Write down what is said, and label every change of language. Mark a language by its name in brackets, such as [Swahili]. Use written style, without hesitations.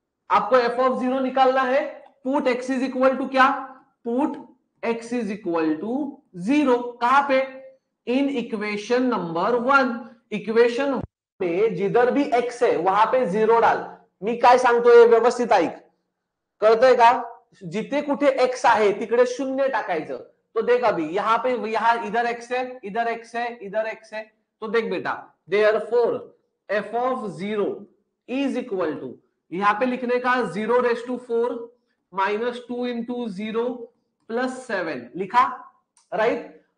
[Hindi] आपको F of 0 निकालना है, put x is equal to क्या, put x is equal to 0 कहां पे, इन इक्वेशन नंबर 1। इक्वेशन में जिधर भी एक्स है वहां पे 0 डाल। [Marathi] मी काय सांगतो ये व्यवस्थित ऐक, करते का, जिथे कुठे एक्स आहे तिकडे 0 टाकायचं। [Hindi] तो देख अभी यहां पे, यहां इधर एक्स है, इधर एक्स है, इधर एक्स है, तो देख बेटा therefore F of 0 is equal to, यहां पे लिखने का 0^4 - 2×0+7 लिखा, राइट।